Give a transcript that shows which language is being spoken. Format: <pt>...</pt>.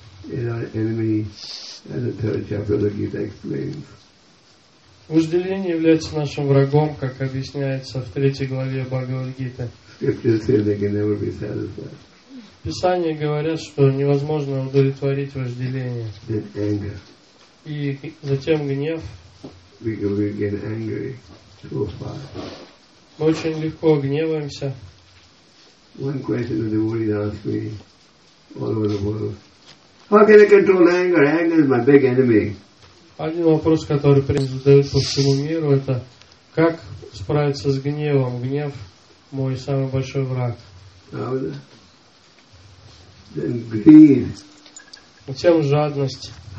<en>In our enemy, as the third chapter of the Gita explains.</en> <ru>Вожделение является нашим врагом, как объясняется в третьей главе Бхагавад-гиты.</ru> <en>Scriptures say they can never be satisfied.</en> <ru>Писания говорят, что невозможно удовлетворить вожделение.</ru> <en>Then anger.</en> <ru>И затем гнев.</ru> <en>We can get angry so fast.</en> <ru>Мы очень легко гневаемся.</ru> <en>One question that the devotees ask me all over the world. How can I control anger? Anger is my big enemy.</en> <ru>Один вопрос, который задают по всему миру, это как справиться с гневом? Гнев мой самый большой враг. Then greed. Затем жадность.</ru>